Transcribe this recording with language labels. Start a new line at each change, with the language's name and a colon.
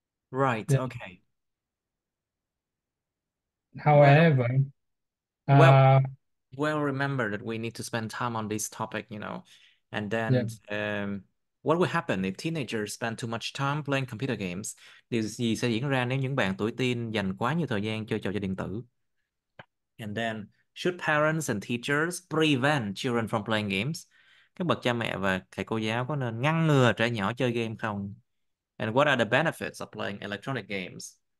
English: Right, okay. Well, However, remember that we need to spend time on this topic, you know. And yeah. then what will happen if teenagers spend too much time playing computer games?
Vietnamese: Điều gì sẽ diễn ra nếu những bạn tuổi teen dành quá nhiều thời gian chơi trò chơi điện tử?
English: And then, should parents and teachers prevent children from playing games?
Vietnamese: Các bậc cha mẹ và thầy cô giáo có nên ngăn ngừa trẻ nhỏ chơi game không?
English: And what are the benefits of playing electronic games?